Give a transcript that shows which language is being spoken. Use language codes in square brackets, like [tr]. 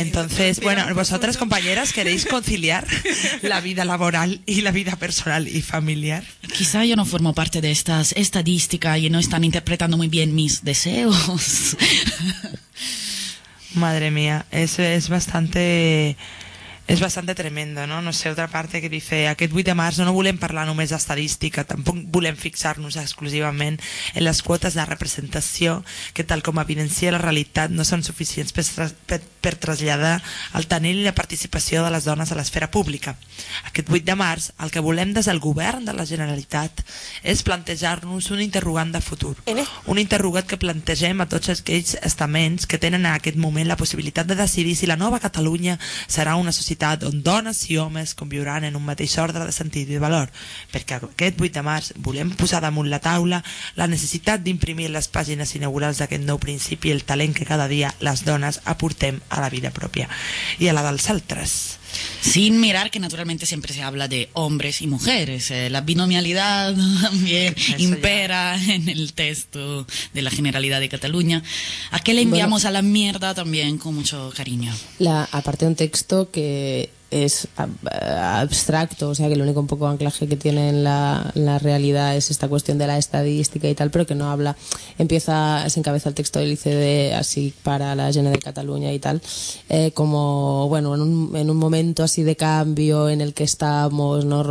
[es] Entonces, bueno, vosotras, compañeras, ¿queréis conciliar la vida laboral y la vida personal y familiar? Quizá yo no formo parte de estas estadísticas y no están interpretando muy bien mis deseos. Madre mía, eso es bastante... [ca] És bastant tremendo, no? No sé, altra part que dice, aquest 8 de març no volem parlar només d'estadística, tampoc volem fixar-nos exclusivament en les quotes de representació que, tal com evidencia la realitat, no són suficients per traslladar el tenir i la participació de les dones a l'esfera pública. Aquest 8 de març, el que volem des del govern de la Generalitat és plantejar-nos un interrogant de futur. Un interrogat que plantegem a tots aquells estaments que tenen en aquest moment la possibilitat de decidir si la nova Catalunya serà una societat on dones i homes conviuran en un mateix ordre de sentit i valor, perquè aquest 8 de març volem posar damunt la taula la necessitat d'imprimir les pàgines inaugurals d'aquest nou principi, el talent que cada dia les dones aportem a la vida pròpia i a la dels altres. [es] Sin mirar que naturalmente siempre se habla de hombres y mujeres, la binomialidad también eso impera ya en el texto de la Generalidad de Cataluña. ¿A qué le enviamos, bueno, a la mierda también con mucho cariño? Aparte de un texto que es abstracto, o sea que el único un poco anclaje que tiene en la realidad es esta cuestión de la estadística y tal, pero que no habla, empieza, se encabeza el texto del ICD así para la Generalitat de Cataluña y tal, como, bueno, en un momento así de cambio en el que estamos, ¿no?